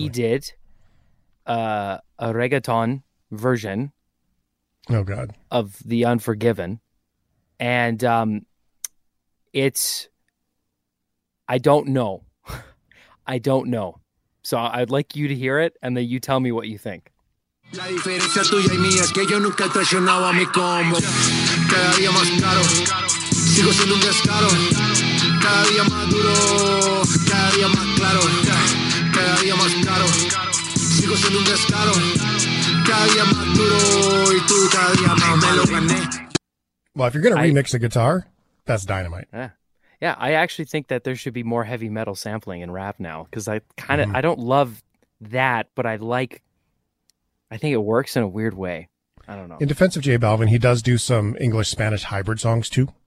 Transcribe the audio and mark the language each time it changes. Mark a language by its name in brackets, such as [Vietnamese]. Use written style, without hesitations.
[English] He did a reggaeton version of The Unforgiven. And I don't know. So I'd like you to hear it and then you tell me what you think. [Spanish] La diferencia tuya y mía, que yo nunca he traicionado a mi combo. Cada día más caro. Sigo siendo un descaro. Cada día más duro. Cada día más claro. Cada día más caro. Sigo siendo un descaro. Cada día más duro. Y tú cada día más me lo gané. [English] Well, if you're going to remix a guitar, that's dynamite. Yeah, I actually think that there should be more heavy metal sampling in rap now, because I kind of, I don't love that, but I think it works in a weird way. I don't know. In defense of J Balvin, he does do some English-Spanish hybrid songs too.